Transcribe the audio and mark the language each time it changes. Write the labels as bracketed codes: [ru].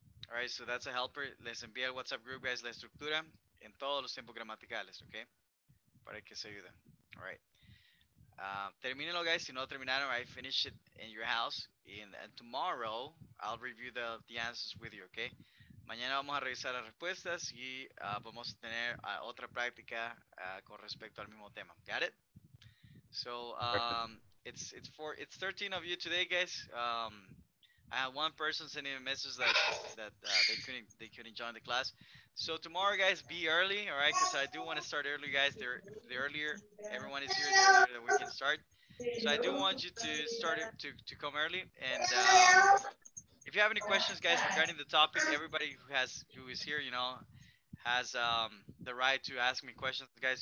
[en] All right, so that's a helper. [es] Les envié al WhatsApp group, guys, la estructura en todos los tiempos gramaticales, okay? Para que se ayuden. All right. Terminenlo, guys. Si no terminaron, [en] right, finish it in your house. And tomorrow, I'll review the answers with you, okay? [es] Mañana vamos a revisar las respuestas y vamos a tener otra práctica con respecto al mismo tema. [en] Got it? So, it's 13 of you today, guys. I have one person sending a message that they couldn't join the class. So tomorrow, guys, be early, all right? Because I do want to start early, guys. The earlier everyone is here, the earlier that we can start. So I do want you to start to come early. And if you have any questions, guys, regarding the topic, everybody who is here, you know, has the right to ask me questions, guys.